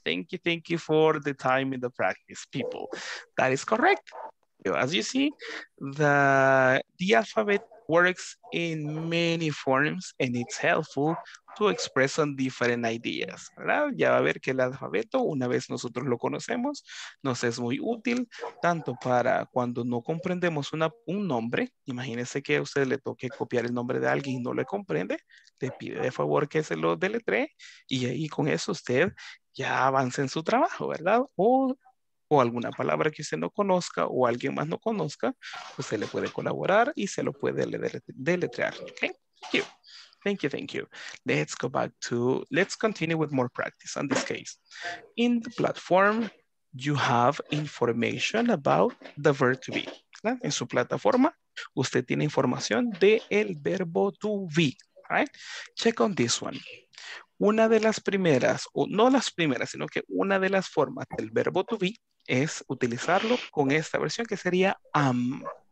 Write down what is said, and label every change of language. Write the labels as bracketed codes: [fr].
[en] Thank you for the time in the practice, people. That is correct. As you see, the alphabet works in many forms and it's helpful to express on different ideas, ¿verdad? [es] Ya va a ver que el alfabeto, una vez nosotros lo conocemos, nos es muy útil, tanto para cuando no comprendemos un nombre, imagínese que a usted le toque copiar el nombre de alguien y no le comprende, le pide de favor que se lo deletree, y ahí con eso usted ya avanza en su trabajo, ¿verdad? O alguna palabra que usted no conozca o alguien más no conozca, usted le puede colaborar y se lo puede deletrear, ¿ok? [en] Thank you. Thank you. Let's continue with more practice on this case. In the platform, you have information about the verb to be. [es] ¿Verdad? En su plataforma, usted tiene información de el verbo to be. [en] Right? Check on this one. [es] Una de las primeras, o no las primeras, sino que una de las formas del verbo to be es utilizarlo con esta versión que sería am.